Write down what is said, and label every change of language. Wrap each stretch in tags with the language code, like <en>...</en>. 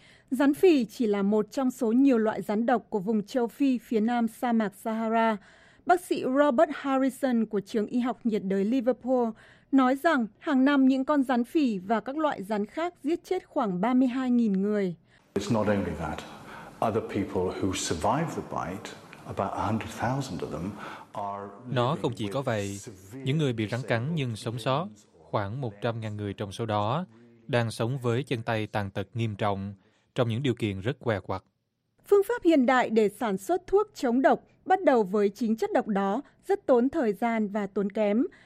<vi>Rắn phỉ chỉ là một trong số nhiều loại rắn độc của vùng châu Phi phía nam sa mạc Sahara. Bác sĩ Robert Harrison của Trường Y học Nhiệt đới Liverpool nói rằng hàng năm những con rắn phỉ và các loại rắn khác giết chết khoảng 32.000 người.</vi> <en>It's not only that. Other people who survive the bite, about 100,000 of them are.</en> <vi>Nó không chỉ có vậy, những người bị rắn cắn nhưng sống sót, khoảng 100.000 người trong số đó đang sống với chân tay tàn tật nghiêm trọng trong những điều kiện rất què quặt. Phương pháp hiện đại để sản xuất thuốc chống độc bắt đầu với chính chất độc đó rất tốn thời gian và tốn kém.</vi>